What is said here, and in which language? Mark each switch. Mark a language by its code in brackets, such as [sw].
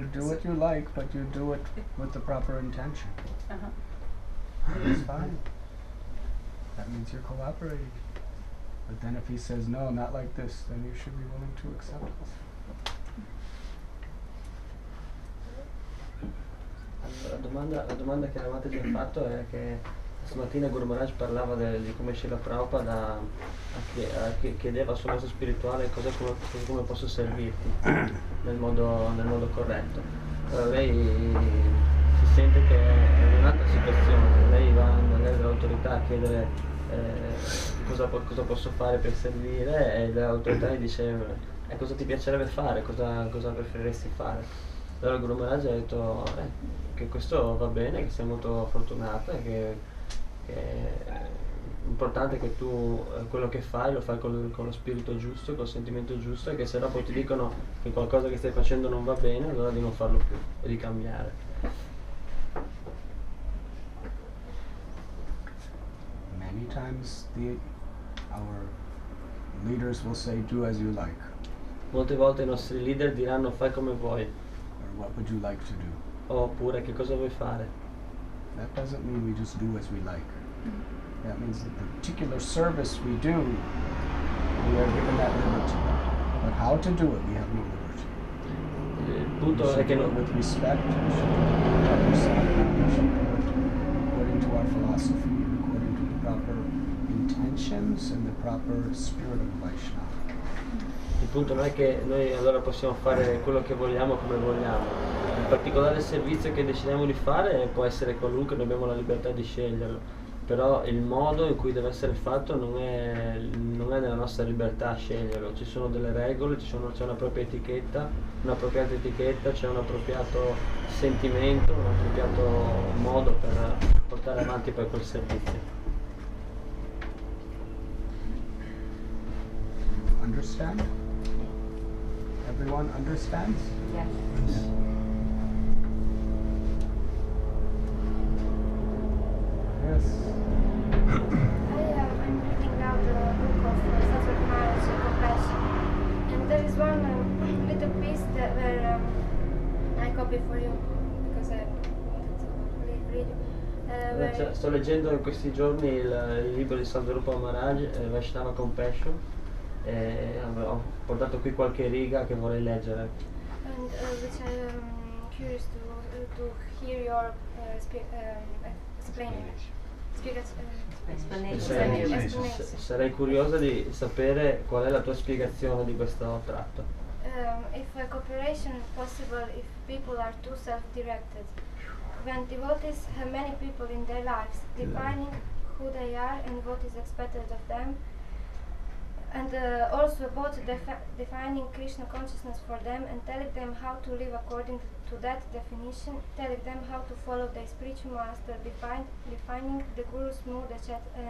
[en] you do so what you like, but you do it with the proper intention. Uh-huh. That's fine. That means you're cooperating. But then if he says, no, not like this, then you should be willing to accept it. [it] La domanda che la Mataji ha fatto è che Stamattina Guru Maharaj parlava di come Srila Prabhupada chiedeva al suo maestro spirituale cosa, come posso servirti nel modo corretto. Lei si sente che è in un'altra situazione, lei va all'autorità a chiedere cosa posso fare per servire, e l'autorità gli dice cosa ti piacerebbe fare, cosa preferiresti fare. Allora Guru Maharaj ha detto che questo va bene, che sei molto fortunata, che è importante che tu quello che fai lo fai con lo spirito giusto, col sentimento giusto, e che se dopo ti dicono che qualcosa che stai facendo non va bene, allora di non farlo più e di cambiare. [en] Many times our leaders will say do as you like. [it] Molte volte i nostri leader diranno fai come vuoi. [en] Or what would you like to do? [it] Oppure che cosa vuoi fare? [en] That doesn't mean we just do as we like. Mm-hmm. That means the particular service we do, we are given that liberty. But how to do it, we have no liberty. [it] Il punto è che non [en] with respect, we should do it with according to our philosophy, according to the proper intentions and the proper spirit of Vaishnava. [it] Il punto non è che noi allora possiamo fare quello che vogliamo come vogliamo. Il particolare servizio che decidiamo di fare può essere qualunque, noi abbiamo la libertà di sceglierlo. Però il modo in cui deve essere fatto non è nella nostra libertà sceglierlo. Ci sono delle regole, c'è una propria etichetta, un'appropriata etichetta, c'è un appropriato sentimento, un appropriato modo per portare avanti poi quel servizio. [en] Understand? Everyone understands? Yes. Yes. I am reading now the book of Sacred Marriage and Compassion. And there is one little piece that where I copy for you because I wanted to read you. [it] Sto leggendo in questi giorni il libro di Sadhrupa Maharaj, Vaishnava Compassion. Ho portato qui qualche riga che vorrei leggere. [en] And which I am curious to hear your explanation. [it] Sarei curiosa di sapere qual è la tua spiegazione di questo tratto. [en] If a cooperation is possible if people are too self-directed. When devotees have many people in their lives, defining who they are and what is expected of them, and also about defining Krishna consciousness for them and telling them how to live according to that definition, telling them how to follow their spiritual master, defining the guru's mood, etc.